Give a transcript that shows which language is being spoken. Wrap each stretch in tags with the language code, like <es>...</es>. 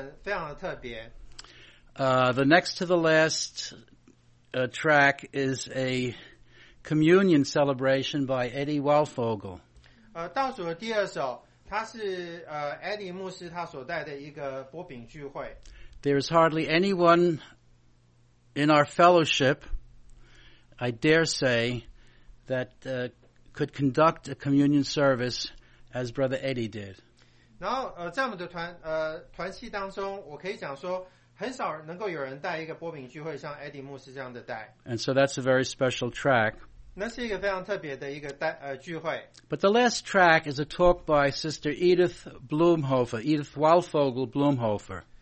<en>The next to the last track is a communion celebration by Eddie Waldvogel.</en> <zh>倒数的第二首，它是Eddie 牧师他所带的一个波饼聚会。</zh> <en>There is hardly anyone in our fellowship, I dare say, that could conduct a communion service as Brother Eddie did.</en> <zh>然后在我们的团系当中，我可以讲说。很少能够有人带一个波饼聚会像Eddie 牧师这样的带。</zh> <en>And so that's a very special track.</en> <zh>那是一个非常特别的一个聚会。</zh> <en>But the last track is a talk by Sister Edith Blumhofer, Edith Waldvogel Blumhofer.</en>